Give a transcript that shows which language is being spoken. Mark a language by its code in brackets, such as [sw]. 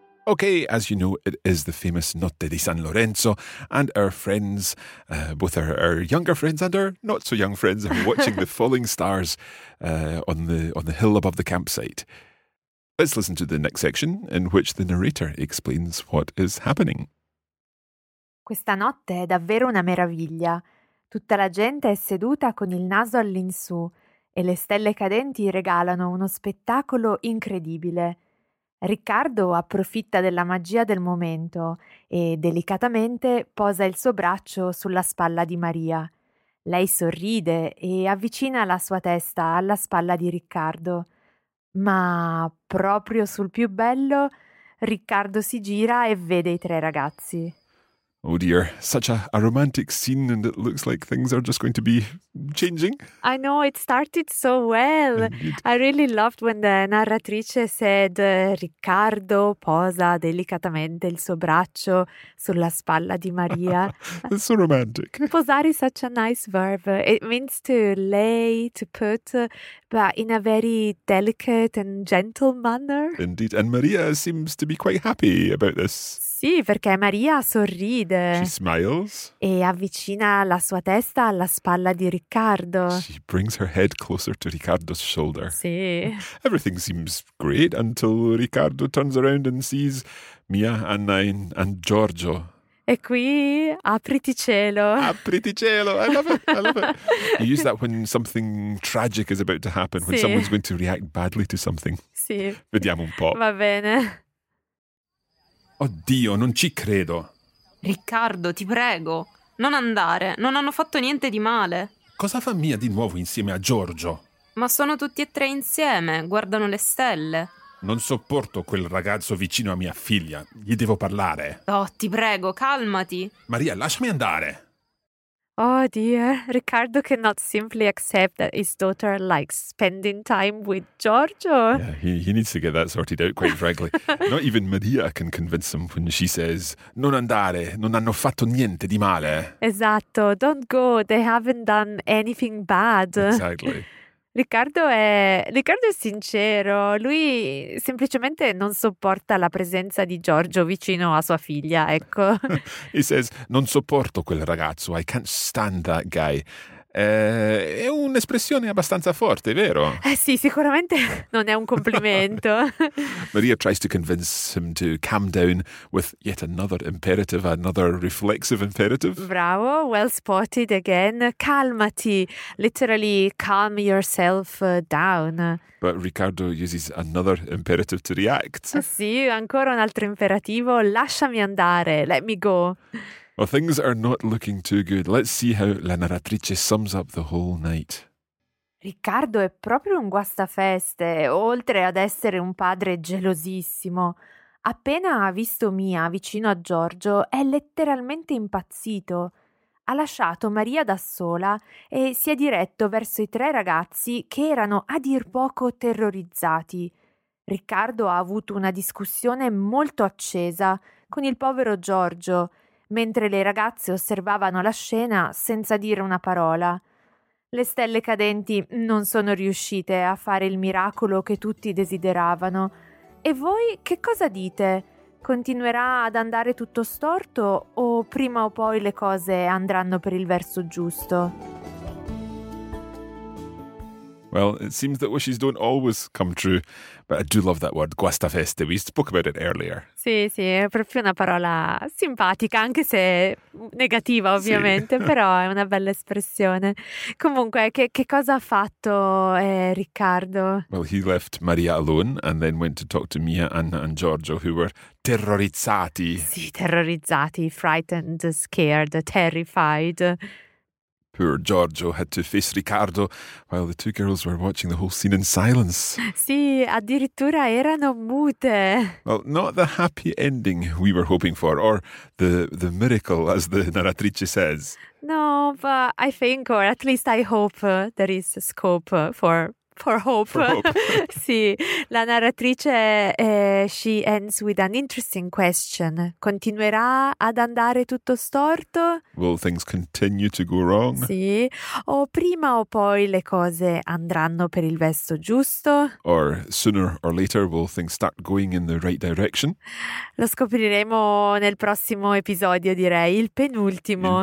[en] Okay, as you know, it is the famous Notte di San Lorenzo, and our friends, both our younger friends and our not so young friends, are watching the falling stars on the hill above the campsite. Let's listen to the next section in which the narrator explains what is happening. [it] Questa notte è davvero una meraviglia. Tutta la gente è seduta con il naso all'insù e le stelle cadenti regalano uno spettacolo incredibile. Riccardo approfitta della magia del momento e delicatamente posa il suo braccio sulla spalla di Maria. Lei sorride e avvicina la sua testa alla spalla di Riccardo. Ma proprio sul più bello, Riccardo si gira e vede i tre ragazzi. [en] Oh dear, such a romantic scene, and it looks like things are just going to be changing. I know, it started so well. Indeed. I really loved when the narratrice said [it] Riccardo posa delicatamente il suo braccio sulla spalla di Maria. [en] It's so romantic. Posare is such a nice verb. It means to lay, to put, but in a very delicate and gentle manner. Indeed, and Maria seems to be quite happy about this. [it] Sì, perché Maria sorride. [en] She smiles. [it] E avvicina la sua testa alla spalla di Riccardo. [en] She brings her head closer to Riccardo's shoulder. [it] Sì. [en] Everything seems great until Riccardo turns around and sees Mia, Anna and Giorgio. [it] E qui, apriti cielo. Apriti cielo, [en] I love it, I love it. You use that when something tragic is about to happen, [it] sì. [en] When someone's going to react badly to something. [it] Sì. Vediamo un po'. Va bene. Oddio, non ci credo. Riccardo, ti prego, non andare. Non hanno fatto niente di male. Cosa fa Mia di nuovo insieme a Giorgio? Ma sono tutti e tre insieme, guardano le stelle. Non sopporto quel ragazzo vicino a mia figlia. Gli devo parlare. Oh, ti prego, calmati. Maria, lasciami andare. [en] Oh dear, Riccardo cannot simply accept that his daughter likes spending time with Giorgio. Yeah, he needs to get that sorted out, quite frankly. Not even Maria can convince him when she says, [it] non andare, non hanno fatto niente di male. Esatto, [en] don't go, they haven't done anything bad. Exactly. [it] Riccardo è sincero, lui semplicemente non sopporta la presenza di Giorgio vicino a sua figlia, ecco. [en] He says, [it] non sopporto quel ragazzo, [en] I can't stand that guy. [it] È un'espressione abbastanza forte, vero? Sì, sicuramente non è un complimento. [en] Maria tries to convince him to calm down with yet another imperative, another reflexive imperative. Bravo, well spotted again. Calmati, literally calm yourself down. But Riccardo uses another imperative to react. [it] Sì, ancora un altro imperativo. Lasciami andare, [en] let me go. Well, things are not looking too good. Let's see how la narratrice sums up the whole night. [it] Riccardo è proprio un guastafeste, oltre ad essere un padre gelosissimo. Appena ha visto Mia vicino a Giorgio, è letteralmente impazzito. Ha lasciato Maria da sola e si è diretto verso i tre ragazzi che erano a dir poco terrorizzati. Riccardo ha avuto una discussione molto accesa con il povero Giorgio, mentre le ragazze osservavano la scena senza dire una parola. Le stelle cadenti non sono riuscite a fare il miracolo che tutti desideravano. E voi che cosa dite? Continuerà ad andare tutto storto o prima o poi le cose andranno per il verso giusto? [en] Well, it seems that wishes don't always come true, but I do love that word, guastafeste. We spoke about it earlier. [it] Sì, sì, è proprio una parola simpatica, anche se negativa, ovviamente, sì. Però è una bella espressione. Comunque, che cosa ha fatto Riccardo? [en] Well, he left Maria alone and then went to talk to Mia, Anna and Giorgio, who were terrorizzati. [it] Sì, terrorizzati, [en] frightened, scared, terrified. Poor Giorgio had to face Riccardo while the two girls were watching the whole scene in silence. [it] Sì, addirittura erano mute. [en] Well, not the happy ending we were hoping for, or the miracle, as the narratrice says. No, but I think, or at least I hope, there is scope for hope. [it] Sì, la narratrice, [en] she ends with an interesting question. [it] Continuerà ad andare tutto storto? [en] Will things continue to go wrong? [it] Sì, o prima o poi le cose andranno per il verso giusto? [en] Or sooner or later will things start going in the right direction? [it] Lo scopriremo nel prossimo episodio, direi, il penultimo.